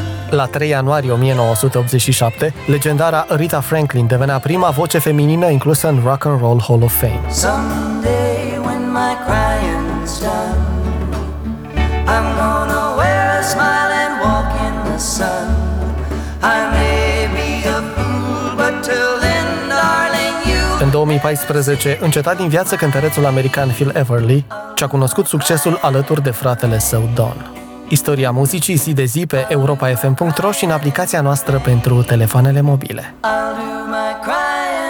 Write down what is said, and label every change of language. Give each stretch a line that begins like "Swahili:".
Romanian: La 3 ianuarie 1987, legendara Aretha Franklin devenea prima voce feminină inclusă în Rock and Roll Hall of Fame.
English: Someday when my crying's done, I'm gonna wear a smile and walk in the sun. I may be a fool, but till then, darling, you.
Romanian: În 2014, înceta din viață cântărețul american Phil Everly, ce-a cunoscut succesul alături de fratele său Don. Istoria muzicii zi de zi pe europafm.ro și în aplicația noastră pentru telefoanele mobile.
English: I'll do my crying.